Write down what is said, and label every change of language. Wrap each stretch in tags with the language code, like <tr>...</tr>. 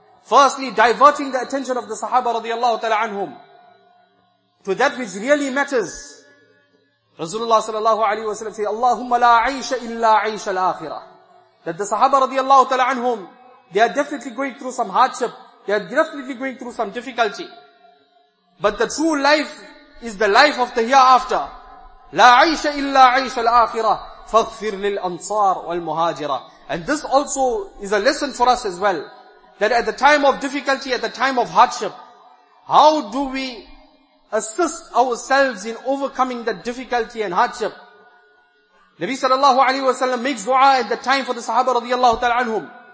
<en>Firstly, diverting the attention of the Sahaba radiallahu ta'ala anhum to that which really matters. Rasulullah sallallahu alayhi wa sallam says, Allahumma la aisha illa aisha al-akhirah. that the Sahaba radiallahu ta'ala anhum, they are definitely going through some hardship. They are definitely going through some difficulty. But the true life is the life of the hereafter.</en> <ar>لا عيش إلا عيش الآخرة فاغفر للأنصار والمهاجرة.</ar> <en>And this also is a lesson for us as well. That at the time of difficulty, at the time of hardship, how do we assist ourselves in overcoming that difficulty and hardship? Nabi sallallahu alayhi wa sallam makes dua at the time for the Sahaba radiallahu ta'ala anhum.</en>